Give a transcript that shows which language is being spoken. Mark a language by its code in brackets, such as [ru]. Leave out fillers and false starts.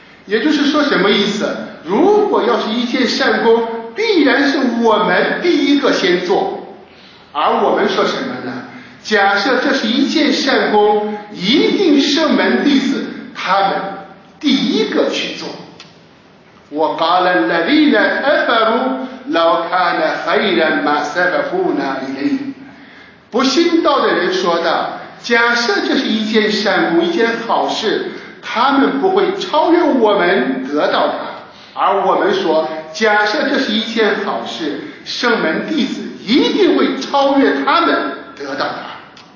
[zh] 也就是说什么意思？如果要是一件善功，必然是我们第一个先做。而我们说什么呢？假设这是一件善功，一定圣门弟子他们第一个去做。我 [ar] قال الذين كفروا لو كان خيرا ما سبقونا إليه。 [zh] 不信道的人说道：假设这是一件善功，一件好事，他们不会超越我们得到它。而我们说，假设这是一件好事，圣门弟子一定会超越他们得到它。